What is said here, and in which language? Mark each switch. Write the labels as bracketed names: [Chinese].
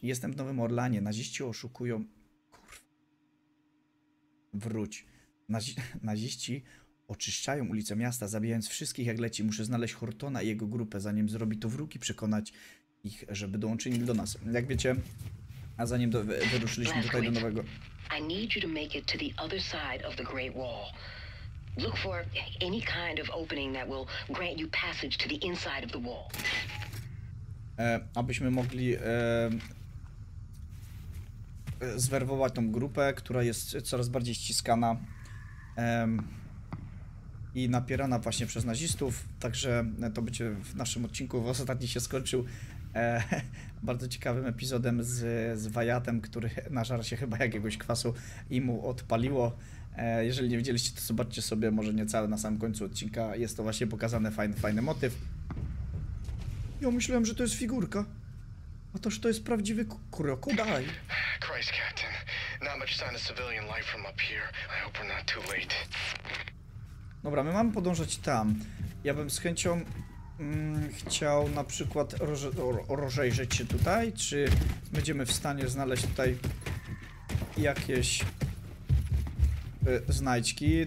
[Polish] Jestem w Nowym Orleanie, naziści oszukują... Kurwa. Wróć. Naziści... Oczyszczają ulice miasta, zabijając wszystkich jak leci. Muszę znaleźć Hortona i jego grupę, zanim zrobi to wróg i przekonać ich, żeby dołączyli do nas. Jak wiecie, a zanim wyruszyliśmy tutaj do nowego... [English] I need you to make it to the other side of the Great Wall. Look for any kind of opening that will grant you passage to the inside of the wall. [Polish] Abyśmy mogli... zwerwować tą grupę, która jest coraz bardziej ściskana. I napierana właśnie przez nazistów, także to będzie w naszym odcinku w ostatni się skończył bardzo ciekawym epizodem z Wyattem, który nażarł się chyba jakiegoś kwasu i mu odpaliło. Jeżeli nie widzieliście, to zobaczcie sobie, może nie całe na samym końcu odcinka, jest to właśnie pokazane, fajny motyw. Ja myślałem, że to jest figurka, a toż to jest prawdziwy kuroku, daj. [English] Christ, Captain, not much sign of civilian life from up here. I hope we're not too late. [Polish] Dobra, my mamy podążać tam. Ja bym z chęcią chciał na przykład rozejrzeć się tutaj, czy będziemy w stanie znaleźć tutaj jakieś znajdźki.